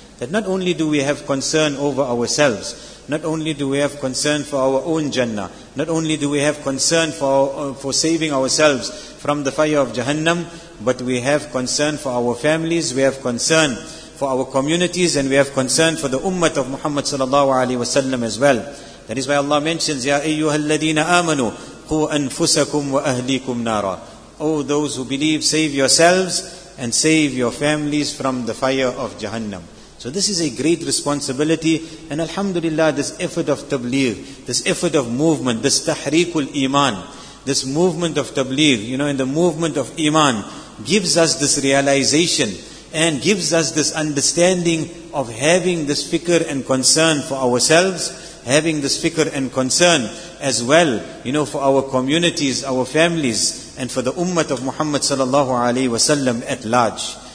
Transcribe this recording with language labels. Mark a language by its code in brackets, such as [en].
[en] That not only do we have concern over ourselves, not only do we have concern for our own Jannah, not only do we have concern for saving ourselves from the fire of Jahannam, but we have concern for our families, we have concern for our communities, and we have concern for the ummah of Muhammad sallallahu alayhi wa sallam as well. That is why Allah mentions, [ar] يَا أَيُّهَا الَّذِينَ آمَنُوا قُوْ أَنفُسَكُمْ وَأَهْلِيكُمْ نَارًا. [en] Oh, those who believe, save yourselves and save your families from the fire of Jahannam. So this is a great responsibility, and alhamdulillah, this effort of tabligh, this effort of movement, this tahreekul iman, this movement of tabligh, you know, in the movement of iman, gives us this realization and gives us this understanding of having this fikr and concern for ourselves, having this fikr and concern as well, you know, for our communities, our families, and for the ummah of Muhammad sallallahu alaihi wasallam at large.